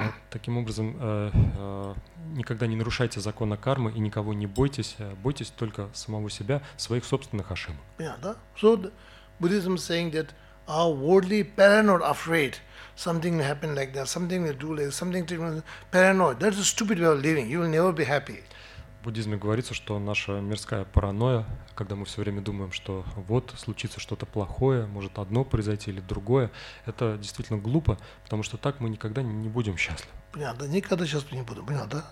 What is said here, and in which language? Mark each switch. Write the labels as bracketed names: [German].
[Russian] Таким образом, никогда не нарушайте закона кармы и никого не бойтесь, бойтесь только самого себя, своих собственных ошибок. Понятно, да? [English] So, Buddhism is saying that our worldly paranoid afraid something will happen like that, something will do like something paranoid. That's a stupid way of living. You will never be happy. [Russian] В буддизме говорится, что наша мирская паранойя, когда мы все время думаем, что вот случится что-то плохое, может одно произойти или другое, это действительно глупо, потому что так мы никогда не будем счастливы. Понятно, да, никогда счастливы не будем, понятно, да?